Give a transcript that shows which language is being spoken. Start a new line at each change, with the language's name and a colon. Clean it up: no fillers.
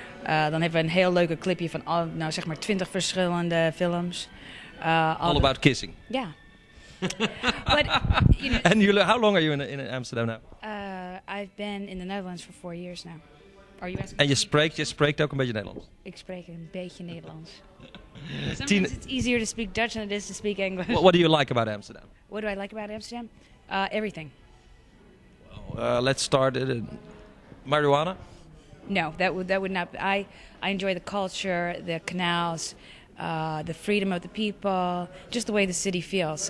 Dutch: Dan hebben we een heel leuke clipje van al, nou zeg maar, 20 verschillende films.
English: All about kissing. Yeah. But, you know, and how long are you in Amsterdam now? I've been in the Netherlands for 4 years now. Are you asking? And you
Dutch: spreek ook een beetje Nederlands? Ik spreek een beetje Nederlands.
English: Sometimes it's easier to speak Dutch than it is to speak English. What do you like about Amsterdam? What do I like about Amsterdam? Everything. Well, let's start it. Marijuana? No, that would not. I enjoy the culture, the canals, the freedom of the people, just the way the city feels.